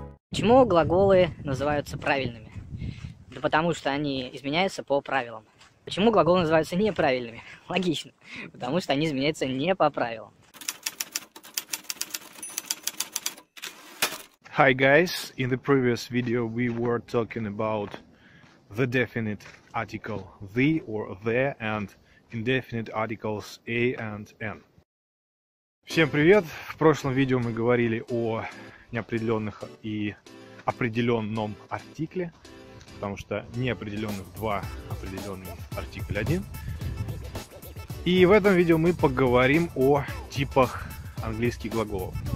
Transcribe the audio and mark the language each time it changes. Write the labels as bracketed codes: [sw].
[ru] Почему глаголы называются правильными? Да потому что они изменяются по правилам. Почему глаголы называются неправильными? Логично. Потому что они изменяются не по правилам. [en] Hi guys, in the previous video we were talking about the definite article the or the and indefinite articles a and an. [ru] Всем привет! В прошлом видео мы говорили о неопределенных и определенном артикле, потому что неопределенных два, определенный артикль один. И в этом видео мы поговорим о типах английских глаголов.